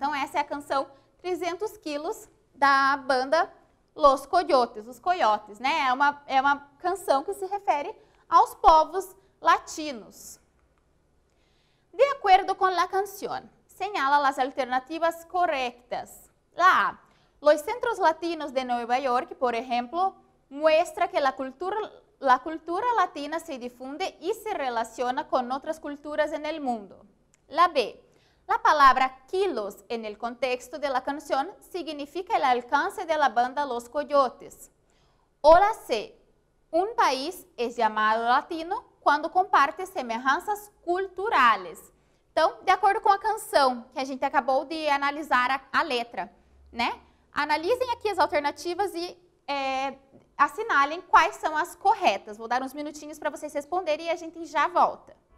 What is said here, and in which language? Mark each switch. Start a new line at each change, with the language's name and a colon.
Portuguese: Então, essa é a canção 300 quilos da banda Los Coyotes, os Coyotes, né? É uma canção que se refere aos povos latinos. De acordo com a canção, señala as alternativas corretas.
Spanish: La A, los centros latinos de Nueva York,
Portuguese: por exemplo,
Spanish: muestra que la cultura latina se difunde
Portuguese: e se relaciona com outras culturas
Spanish: en el mundo. La B, la palabra kilos en el contexto de la canción significa el alcance de la banda Los Coyotes. O la C, un país es llamado latino cuando comparte semejanzas culturales.
Portuguese: Então, de acordo com a canção que a gente acabou de analisar a letra, né? Analisem aqui as alternativas e assinalem quais são as corretas. Vou dar uns minutinhos para vocês responderem e a gente já volta.